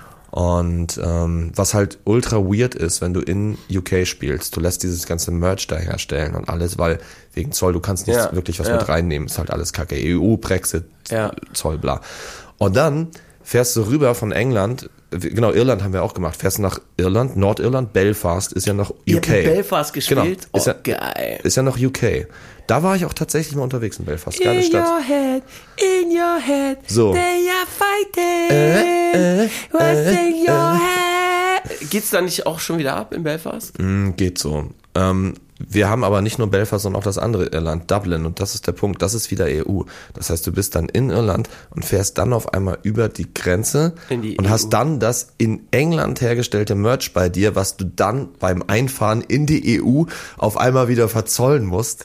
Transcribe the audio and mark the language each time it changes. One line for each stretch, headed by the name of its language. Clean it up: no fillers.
German: Und was halt ultra weird ist, wenn du in UK spielst, du lässt dieses ganze Merch da herstellen und alles, weil wegen Zoll, du kannst nicht wirklich was mit reinnehmen, ist halt alles kacke, EU, Brexit, Zoll, bla. Und dann fährst du rüber von England, genau, Irland haben wir auch gemacht, fährst du nach Irland, Nordirland, Belfast ist ja noch UK. Ihr habt in Belfast gespielt? Genau. Geil. Ist ja noch UK. Da war ich auch tatsächlich mal unterwegs in Belfast, geile Stadt.
English: In your head, so. They are fighting, what's in your head.
German: Geht's da nicht auch schon wieder ab in Belfast? Geht so. Wir haben aber nicht nur Belfast, sondern auch das andere Irland, Dublin. Und das ist der Punkt, das ist wieder EU. Das heißt, du bist dann in Irland und fährst dann auf einmal über die Grenze in die und EU. Hast dann das in England hergestellte Merch bei dir, was du dann beim Einfahren in die EU auf einmal wieder verzollen musst.